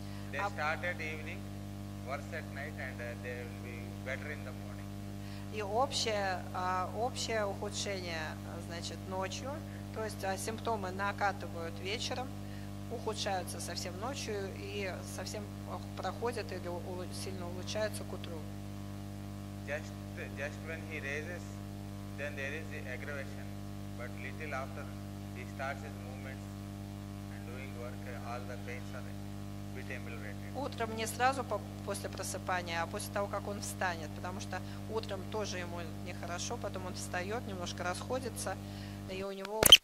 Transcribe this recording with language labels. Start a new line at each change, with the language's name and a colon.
English: They start at evening, worse at night, and they will be better in the morning.
Russian: И общее ухудшение, значит, ночью. То есть симптомы накатывают вечером, ухудшаются совсем ночью и совсем проходят или сильно улучшаются к утру.
English: Just when he raises, then there is the aggravation. But little after he starts his movements and doing work, all the pains are a bit ameliorated.
Russian: Утром не сразу после просыпания, а после того, как он встанет, потому что утром тоже ему нехорошо, потом он встает, немножко расходится, и у него.